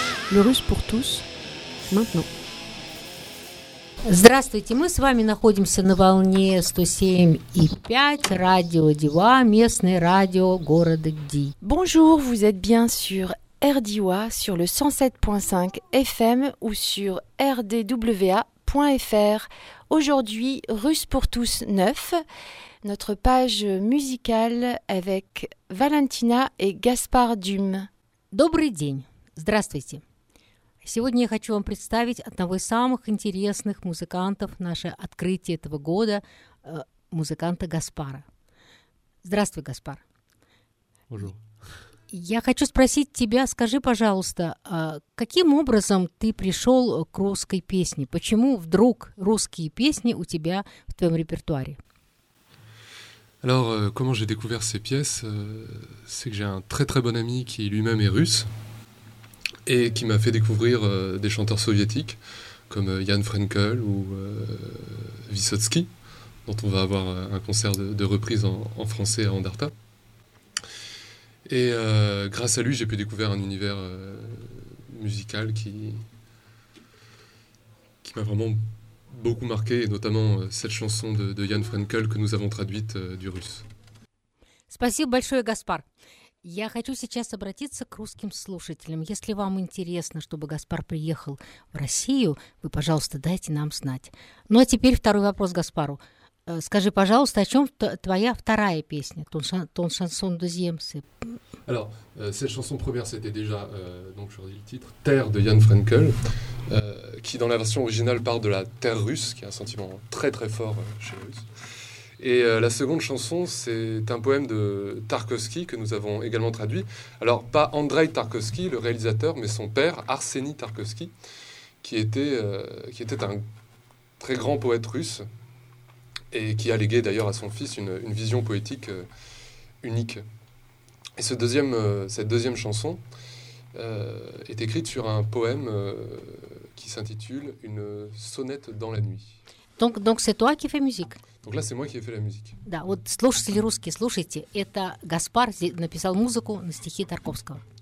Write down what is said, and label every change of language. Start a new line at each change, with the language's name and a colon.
French: Le russe pour tous, maintenant.
Russian: Здравствуйте, мы с вами находимся на волне 107,5 Радио Дива, местное радио города Ди.
French: Bonjour, vous êtes bien sûr RDIWA sur le 107.5 FM ou sur rdwa.fr. Aujourd'hui, Russe pour tous 9, notre page musicale avec Valentina et Gaspard Dum.
Russian: Добрый день. Здравствуйте. Сегодня я хочу вам представить одного из самых интересных музыкантов, наше открытие этого года, музыканта Гаспара. Здравствуй, Гаспар.
French: Bonjour.
Russian: Я хочу спросить тебя, скажи, пожалуйста, каким образом ты пришел к русской песне? Почему вдруг русские песни у тебя в твоем репертуаре?
French: Alors, comment j'ai découvert ces pièces? C'est que j'ai un très très bon ami qui lui-même est russe et qui m'a fait découvrir des chanteurs soviétiques comme Jan Frenkel ou Vysotsky, dont on va avoir un concert de reprise en français à Andarta. Et grâce à lui, j'ai pu découvrir un univers musical qui m'a vraiment beaucoup marqué, et notamment cette chanson de Jan Frenkel que nous avons traduite du russe.
Russian: Спасибо большое, Гаспар. Я хочу сейчас обратиться к русским слушателям. Если вам интересно, чтобы Гаспар приехал в Россию, вы, пожалуйста, дайте нам знать. Ну а теперь второй вопрос Гаспару. Скажи, пожалуйста, о чем твоя вторая песня,
French: ton chanson deuxième? Alors, cette chanson première, c'était déjà, donc je redis le titre, Terre de Jan Frenkel, qui dans la version originale part de la terre russe, qui est un sentiment très très fort chez les Russes. Et la seconde chanson, c'est un poème de Tarkovsky que nous avons également traduit. Alors, pas Andrei Tarkovsky, le réalisateur, mais son père, Arseny Tarkovsky, qui était un très grand poète russe, et qui a légué d'ailleurs à son fils une vision poétique unique. Et cette deuxième chanson est écrite sur un poème qui s'intitule « Une sonnette dans la nuit ». Donc c'est toi qui fais musique. Donc là, c'est moi qui ai fait la musique.
Russian: Да, вот слушатели русские, слушайте, это Гаспар написал музыку на стихи Тарковского.